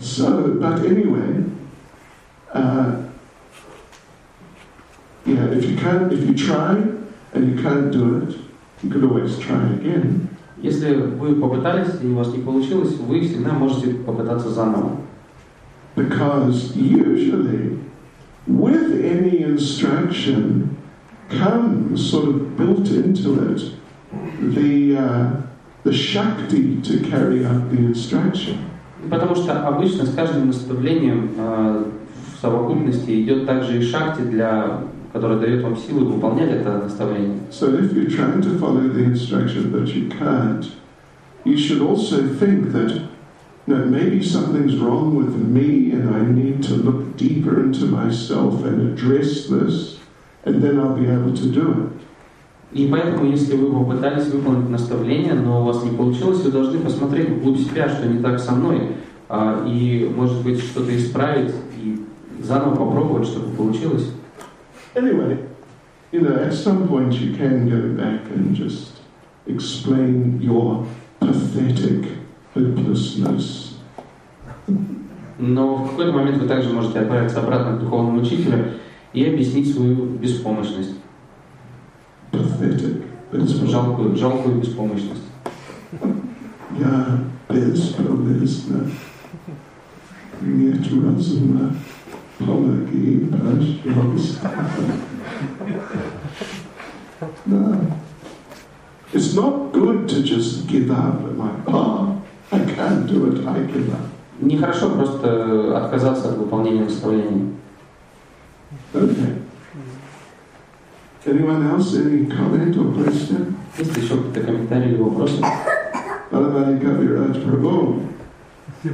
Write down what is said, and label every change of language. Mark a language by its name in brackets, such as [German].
[English] So, but anyway, yeah, if you try and you can't do it, you could always try again. [Russian] Если вы попытались и у вас не получилось, вы всегда можете попытаться заново. [English] Because usually with any instruction comes sort of built into it the shakti to carry out the instruction. [Russian] Потому что обычно с каждым наставлением в совокупности идет также и шакти для которая дает вам силы выполнять это наставление. [English] So if you're trying to follow the instruction but you can't, you should also think that now maybe something's wrong with me and I need to look deeper into myself and address this and then I'll be able to do it. [Russian] И поэтому, если вы попытались выполнить наставление, но у вас не получилось, вы должны посмотреть вглубь себя, что не так со мной, и, может быть, что-то исправить и заново попробовать, чтобы получилось. [English] Anyway, you know, at some point you can go back and just explain your pathetic hopelessness. [Russian] Но в какой-то момент вы также можете отправиться обратно к духовному учителю и объяснить свою беспомощность. [English] Pathetic. [Russian] Жалкую беспомощность. Я беспомощна. Нет разума. Помоги, пожалуйста. [English] No. It's not good to just give up like, oh, I can't do it, I give up. [Russian] Нехорошо просто отказаться от выполнения наставления. [English] Okay. Anyone else, any comment or question? [Russian] Есть еще какие-то комментарии или вопросы? Спасибо большое, Махарадж, за замечательную лекцию, очень